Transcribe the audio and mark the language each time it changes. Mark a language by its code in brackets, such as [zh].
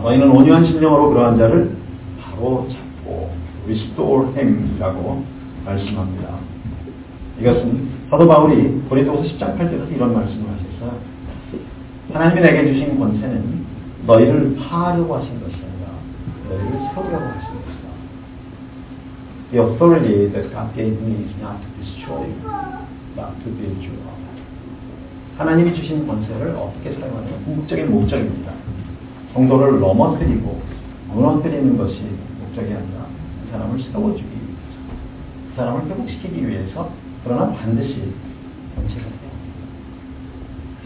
[ko] 너희는 온유한 심령으로 그러한 자를 바로 잡고 [en] restore him [ko] 이라고 말씀합니다. 이것은 사도 바울이 고린도후서 10장 8절에서 이런 말씀을 하셨어요. 하나님이 내게 주신 권세는 너희를 파하려고 하신 것이 아니라 너희를 세우려고 하신 것이다. [en] The authority that God gave me is not to destroy you, not to build you up. [ko] 하나님이 주신 권세를 어떻게 사용하는 궁극적인 목적입니다. 정도를 넘어뜨리고 무너뜨리는 것이 목적이 아니라 그 사람을 세워주기 위해서 그 사람을 회복시키기 위해서 그러나 반드시 권세가 돼야 합니다.